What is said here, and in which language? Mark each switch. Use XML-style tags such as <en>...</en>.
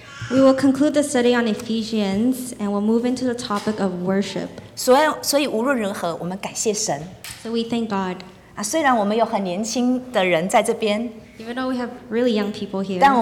<en>we will conclude the study on Ephesians and we'll move into the topic of worship.</en> <zh>所以无论如何,</zh> <en>so we thank God.</en> <zh>虽然我们有很年轻的人在这边,</zh> <en>even though we have really young people here,</en>